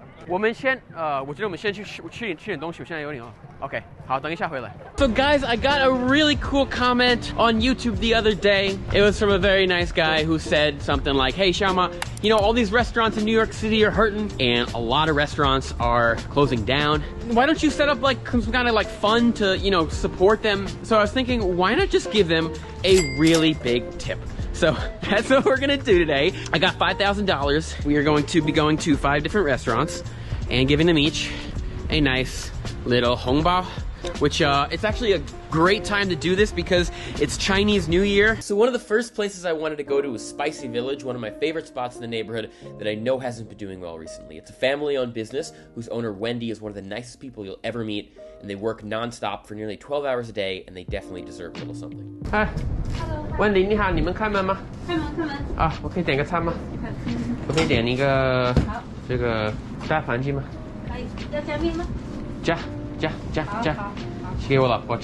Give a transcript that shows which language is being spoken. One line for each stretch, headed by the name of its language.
Chinese: 我们先我觉得我们先去吃点东西，我现在有点饿。 Okay, 好，等一下回来。
English: So guys, I got a really cool comment on YouTube the other day. It was from a very nice guy who said something like, Hey, Xiaoma, you know, all these restaurants in New York City are hurting, and a lot of restaurants are closing down. Why don't you set up like some kind of like fund to, you know, support them? So I was thinking, why not just give them a really big tip? So that's what we're gonna do today. I got $5,000. We are going to be going to 5 different restaurants and giving them each a nice little hongbao, which it's actually a great time to do this because it's Chinese New Year. So one of the first places I wanted to go to was Spicy Village, one of my favorite spots in the neighborhood that I know hasn't been doing well recently. It's a family-owned business whose owner, Wendy, is one of the nicest people you'll ever meet, and they work nonstop for nearly 12 hours a day, and they definitely deserve a little something. Hi. Hello.
Chinese: Wendy, 你好，你们开门吗？开门，开门。我可以点个餐吗？我可以点一个这个加盘鸡吗？要加面吗？加。